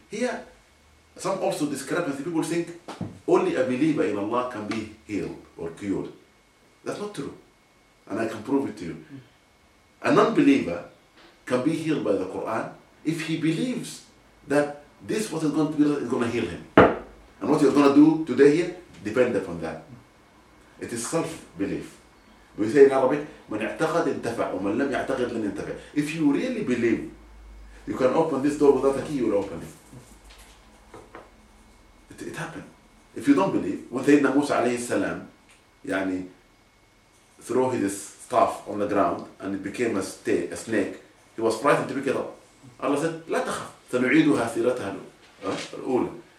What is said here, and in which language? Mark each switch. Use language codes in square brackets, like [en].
[en] Here, some also discrepancy. People think only a believer in Allah can be healed or cured. That's not true. And I can prove it to you. A non-believer can be healed by the Quran if he believes that this, what is going to be, is going to heal him. And what you're going to do today here depends upon that. It is self-belief. We say in Arabic, [ar] مَنْ اعتقد انتفع ومن لم يعتقد لن ينتفع. [en] If you really believe, you can open this door without a key, you will open it. It happened. If you don't believe, when Sayyidina Musa alayhi salam threw his staff on the ground and it became a snake, he was frightened to pick it up. Allah said, [ar] لا تخف سنعيدها سيرتها الأولى.